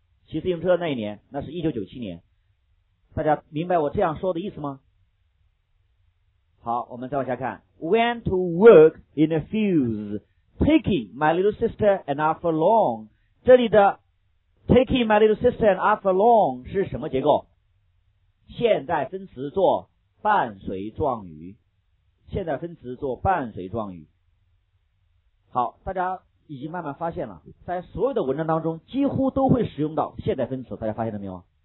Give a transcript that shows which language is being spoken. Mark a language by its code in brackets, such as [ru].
[zh] 骑自行车的那一年，那是1997年。大家明白我这样说的意思吗？好，我们再往下看。 [en] Went to work in the fields, taking my little sister and I for long。 [zh] 这里的 [en] taking my little sister and I for long [zh] 是什么结构？现在分词做伴随状语，现在分词做伴随状语。好，大家已经慢慢发现了，在所有的文章当中几乎都会使用到现在分词，大家发现了没有？